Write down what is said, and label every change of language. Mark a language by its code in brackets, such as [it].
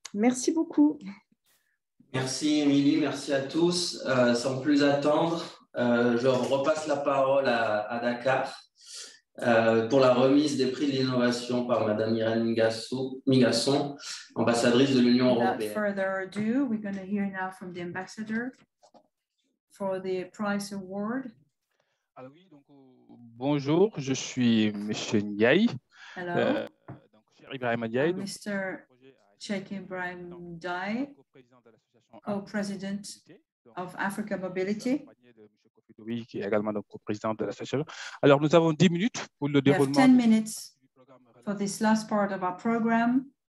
[fr] Merci beaucoup. Merci, Émilie. Merci à tous. Sans plus attendre, je repasse la parole à Dakar. Pour la remise des prix de l'innovation par Madame Irène Migasson, ambassadrice de l'Union européenne. [en] Without further ado, we're going to hear now from the ambassador for the prize award. [fr] Alors oui, donc bonjour, je suis Monsieur Ndiaye. [en] Hello. [fr] Donc cher Ibrahim Ndiaye. Mr. Cheikh Ibrahim Ndiaye, co-président de l'association [en] Co-President of Africa Mobility. [fr] Oui, qui est également donc co-président de l'association. Alors, nous avons 10 minutes pour le déroulement. [en] 10 minutes for this last part of our program.